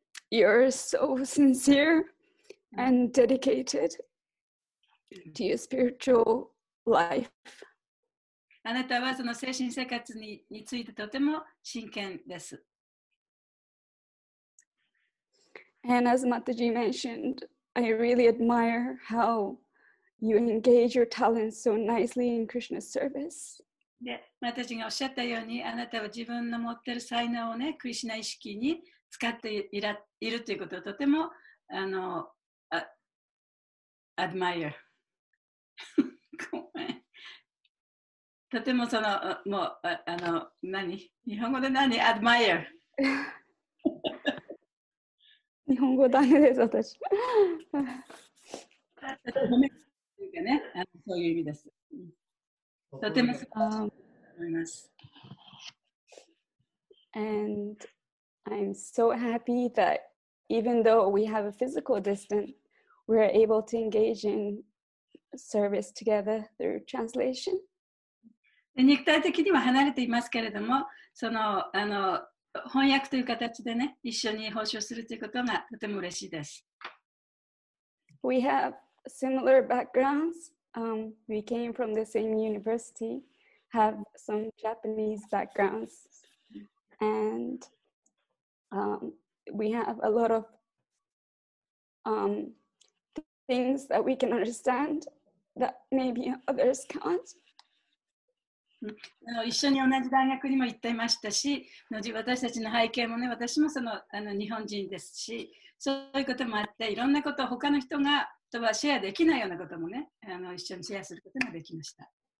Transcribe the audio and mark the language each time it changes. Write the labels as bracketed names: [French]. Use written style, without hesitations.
[English] You're so sincere and dedicated to your spiritual life. [Japanese] あなたはその精神生活 についてとても真剣です。 [English] And as Mataji mentioned, I really admire how you engage your talents so nicely in Krishna's service. [Japanese] で、Mataji がおっしゃったように、あなたは自分の持ってる才能をね、クリシナ意識に使ってい いるということをとても、admire. ごめん。とてもその、もう、あの、何？日本語で何？admire。日本語ダメです、私。ごめん、そういうかね、あの、そういう意味です。とても素晴らしいと思います。 [English] And I'm so happy that even though we have a physical distance, we are able to engage in service together through translation. [Japanese] 肉体的には離れていますけれども、その、あの、翻訳という形でね、一緒に報酬するということがとても嬉しいです。 [English] We have similar backgrounds. We came from the same university, have some Japanese backgrounds, and we have a lot of things that we can understand that maybe others can't. [Japanese] 一緒に同じ大学にも行っていましたし、私たちの背景もね、私もその、あの、日本人ですし、そういうこともあって、いろんなことを他の人がとはシェアできないようなこともね、あの、一緒にシェアすることができました。